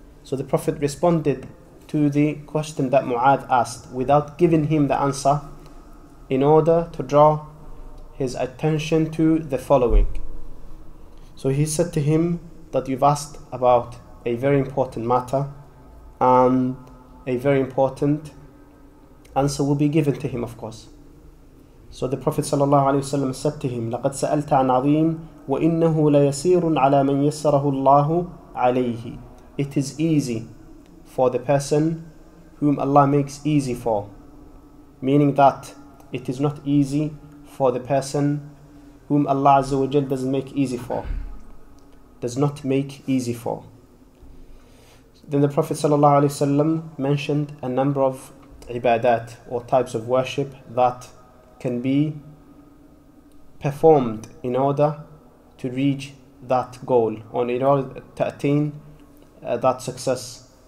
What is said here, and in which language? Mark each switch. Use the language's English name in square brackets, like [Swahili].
[English] So the Prophet responded to the question that Mu'adh asked without giving him the answer, in order to draw his attention to the following. So he said to him that you've asked about a very important matter, and a very important answer will be given to him, of course. So the Prophet sallallahu alaihi wasallam said to him, [Arabic] لَقَدْ سَأَلْتَ عَنْ عَظِيمٍ وَإِنَّهُ لَيَسِيرٌ عَلَى مَنْ يَسَّرَهُ اللَّهُ عَلَيْهِ. [English] It is easy for the person whom Allah makes easy for. Meaning that it is not easy for the person whom Allah Azza wa Jal doesn't make easy for. Does not make easy for. Then the Prophet sallallahu alaihi wasallam mentioned a number of ibadat or types of worship that can be performed in order to reach that goal, or in order to attain that success.